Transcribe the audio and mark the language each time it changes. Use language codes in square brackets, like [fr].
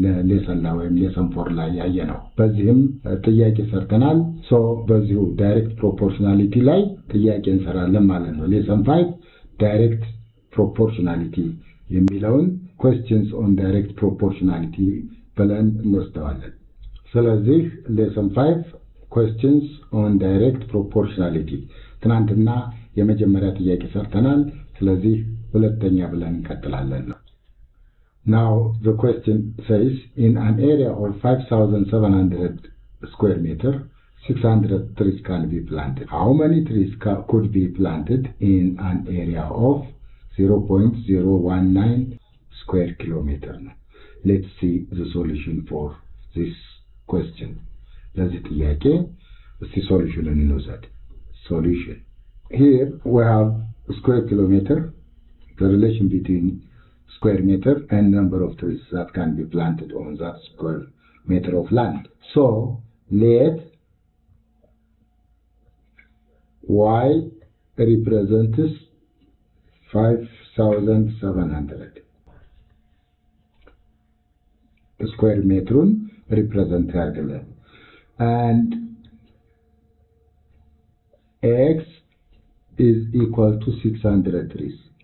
[am] ሌሰን 4 ላይ ያየ ነው። በዚህም ጥያቄ ሰርተናል። ሶ በዚሁ ዳይሬክት ፕሮፖርሽናሊቲ ላይ ጥያቄ እንሰራለን ማለት ነው። ሌሰን 5 ዳይሬክት ፕሮፖርሽናሊቲ የሚለውን [en] questions on direct proportionality [am] ብለን እንወስደዋለን። ስለዚህ ሌሰን 5 questions on direct proportionality ትናንትና የመጀመሪያ ጥያቄ ሰርተናል። ስለዚህ ሁለተኛ ብለን እንቀጥላለን ነው። [en] Now the question says in an area of 5700 square meter 600 trees can be planted. How many trees could be planted in an area of 0.019 square kilometer? Let's see the solution for this question. [am] ለዚህ ጥያቄ እስቲ solution እንውሰድ። Solution. [en] Here we have square kilometer, the relation between square meter and number of trees that can be planted on that square meter of land. So let y represents 5700 square meter represent here, and x is equal to 600 trees.